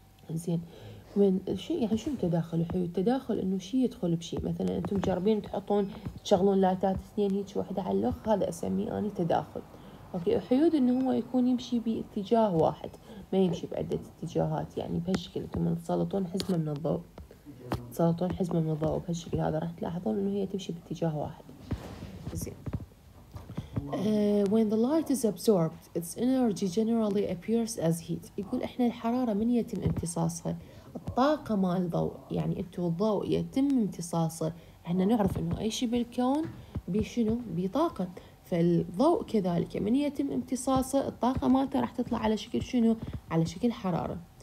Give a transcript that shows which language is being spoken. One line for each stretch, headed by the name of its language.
Arabic: زين، من شيء يعني شو التداخل والحيود؟ التداخل انه شيء يدخل بشيء، مثلا انتم جربين تحطون تشغلون لايتات اثنين هيك واحده على الاخ، هذا اسميه اني تداخل. اوكي، الحيود انه هو يكون يمشي باتجاه واحد ما يمشي بعده اتجاهات، يعني بهالشكل انتم تسلطون حزمه من الضوء، تسلطون حزمه من الضوء بهالشكل هذا راح تلاحظون انه هي تمشي باتجاه واحد.
English: زين، when the light is absorbed its energy generally appears as heat.
Arabic: يقول احنا الحرارة من يتم امتصاصها، الطاقة مع الضوء، يعني انتو الضوء يتم امتصاصه، احنا نعرف انه اي شيء بالكون بشنو بطاقة، فالضوء كذلك من يتم امتصاصه الطاقة مالته راح تطلع على شكل شنو، على شكل حرارة.